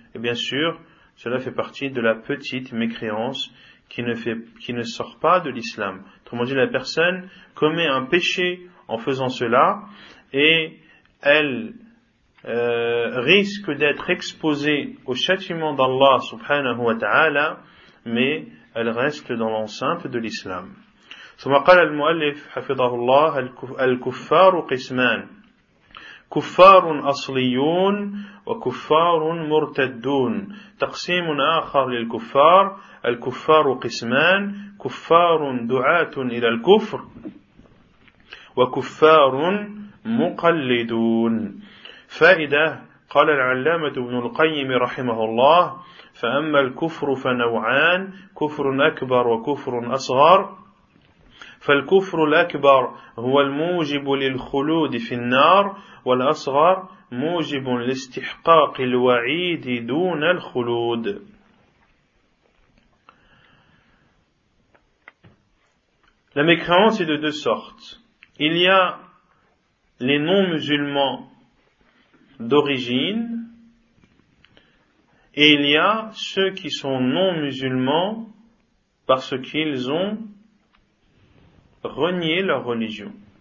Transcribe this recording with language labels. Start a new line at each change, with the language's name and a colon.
French: Et bien sûr, cela fait partie de la petite mécréance qui ne sort pas de l'islam. Autrement dit, la personne commet un péché en faisant cela et elle risque d'être exposée au châtiment d'Allah subhanahu wa ta'ala, mais elle reste dans l'enceinte de l'islam.
Arabic: ثم قال المؤلف حفظه الله الكفار قسمان كفار أصليون وكفار مرتدون تقسيم آخر للكفار الكفار قسمان كفار دعاة إلى الكفر وكفار مقلدون فائدة قال العلامة ابن القيم رحمه الله فأما الكفر فنوعان كفر أكبر وكفر أصغر فالكفر الأكبر هو الموجب للخلود في النار والأصغر موجب لاستحقاق الوعيد دون الخلود.
French: La mécréance est de deux sortes. Il y a les non-musulmans d'origine et il y a ceux qui sont non-musulmans parce qu'ils ont renier leur religion.